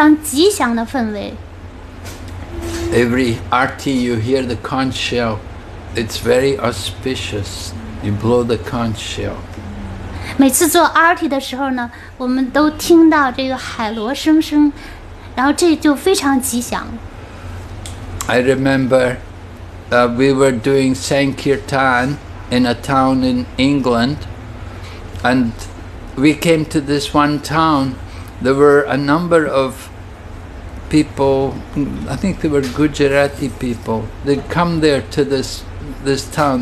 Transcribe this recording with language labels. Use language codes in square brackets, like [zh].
[zh] 伯伽梵歌中形容说，在大战开始的时候，双方都吹响了各自的海螺，就Krishna吹响了潘查詹娅海螺，就创造了带来了非常吉祥的氛围。 [en] Every arti you hear the conch shell, it's very auspicious. You blow the conch shell. [zh] 每次做arti的时候呢，我们都听到这个海螺声声，然后这就非常吉祥。 [en] I remember we were doing Sankirtan in a town in England, and we came to this one town. There were a number of people, I think they were Gujarati people, they'd come there to this town.